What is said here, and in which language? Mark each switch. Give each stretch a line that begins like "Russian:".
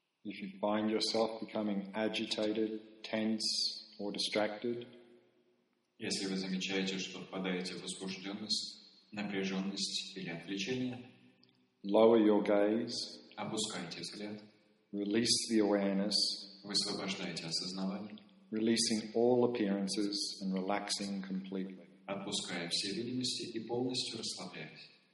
English: If you find yourself becoming agitated, tense, or distracted,
Russian: если вы замечаете, что впадаете в возбужденность, напряженность или отвлечение,
English: lower your gaze,
Russian: опускайте взгляд,
English: release the awareness,
Russian: высвобождайте осознавание,
English: releasing all appearances and relaxing completely,
Russian: отпуская все видимости и полностью расслабляясь.